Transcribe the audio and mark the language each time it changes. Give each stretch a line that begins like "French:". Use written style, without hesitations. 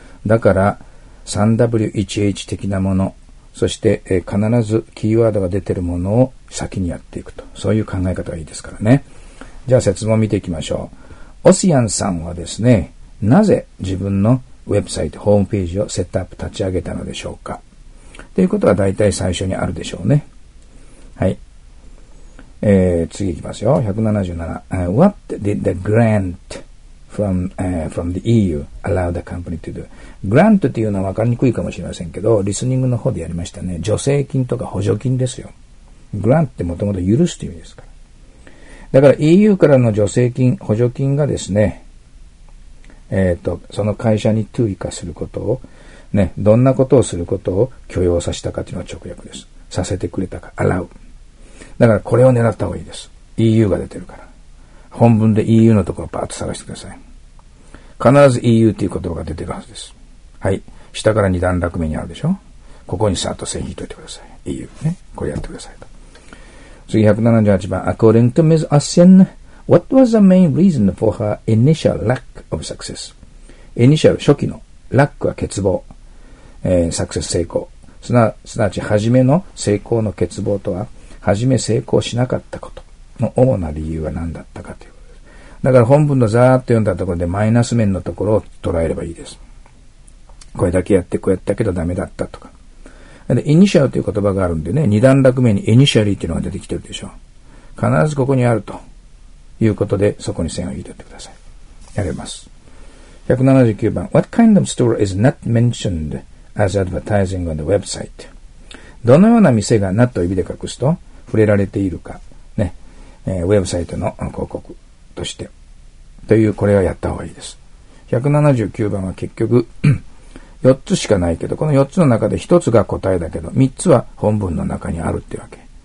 Japanese: だから 3W1H 的なもの、そして必ずキーワードが出てるものを先にやっていくと、そういう考え方がいいですからね。じゃあ説問を見ていきましょう。オシアンさんはですね、なぜ自分のウェブサイト、ホームページをセットアップ、立ち上げたのでしょうか、ということは大体最初にあるでしょうね。はい、次いきますよ。
English: 177、 What did the grantfrom the EU allow the company to do?
Japanese: Grant っていうのは分かりにくいかもしれませんけど、リスニングの方でやりましたね。助成金とか補助金ですよ。Grant ってもともと許すっていう意味ですから。だから EU からの助成金、補助金がですね、その会社に to 以下することを、ね、どんなことをすることを許容させたかというのは直訳です。させてくれたか、allow。だからこれを狙った方がいいです。EU が出てるから。本文で EU のところをパーッと探してください。必ず EU という言葉が出てるはずです。はい。下から2段落目にあるでしょ。ここにさっと線引いておいてください。 EU ね。これやってくださいと。次、178番。
English: According to Ms. Asien, what was the main reason for her initial lack of success?
Japanese: Initial 初期の。lack は欠乏。success 成功。すなわち、初めの成功の欠乏とは、初め成功しなかったこと。の主な理由は何だったかということです。だから本文のざーっと読んだところでマイナス面のところを捉えればいいです。これだけやってこうやったけどダメだったとか。で、イニシャルという言葉があるんでね、二段落目にイニシャリーというのが出てきてるでしょう。必ずここにあるということで、そこに線を引いておいてください。やれます。179番。
English: What kind of store is not mentioned as advertising on the website?
Japanese: どのような店が not を指で隠すと触れられているか。ウェブサイトの広告としてというこれはやった方がいいです。 179番は結局4つしかないけど、この4つの中で1つが答えだけど、3つは本文の中にあるってわけ。